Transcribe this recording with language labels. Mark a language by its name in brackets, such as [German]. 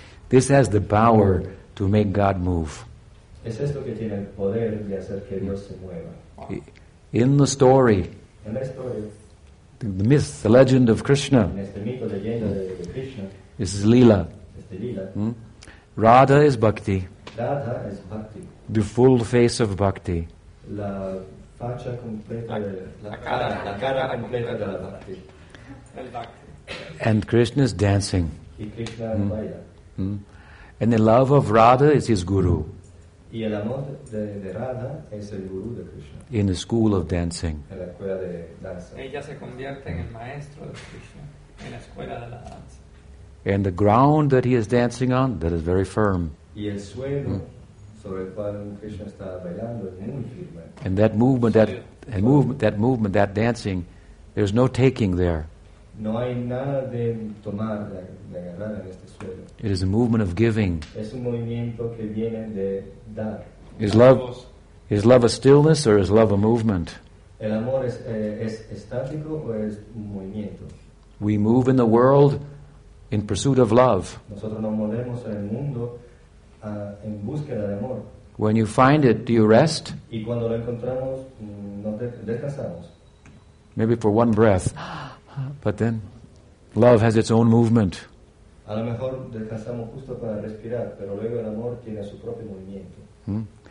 [English] This has the power to make God move. [Spanish] Es esto que tiene el poder de hacer que Dios se mueva. [English] In the story. [Spanish] En la historia. [English] The myth, the legend of Krishna. [Spanish] En este mito, leyenda de Krishna. [English] This is lila. [Spanish] Este lila. [English] Radha is bhakti. Radha is bhakti. The full face of bhakti. [Spanish] La facha completa de la cara completa de la bhakti. El bhakti. [English] And Krishna is dancing. [Spanish] Y Krishna baila. [English] And the love of Radha is his guru. [Spanish] Y el amor de Radha es el guru de Krishna. [English] In the school of dancing. [Spanish] En la escuela de danza. Ella se convierte en el maestro de Krishna en la escuela de la danza. [English] And the ground that he is dancing on, that is very firm. [Spanish] Y el suelo sobre el cual Krishna está bailando es muy firme. [English] And that movement, that movement, that dancing, there's no taking there. [Spanish] No hay nada de tomar, de agarrar en este suelo. [English] It is a movement of giving. [Spanish] Es un movimiento que viene de dar. [English] Is love a stillness or is love a movement? [Spanish] El amor es estático o es un movimiento. [English] We move in the world in pursuit of love. [Spanish] Nosotros nos movemos en el mundo en búsqueda de amor. [English] When you find it, do you rest? [Spanish] Y cuando lo encontramos, descansamos. [English] Maybe for one breath. But then, love has its own movement. [Spanish] A lo mejor descansamos justo para respirar, pero luego el amor tiene su propio movimiento.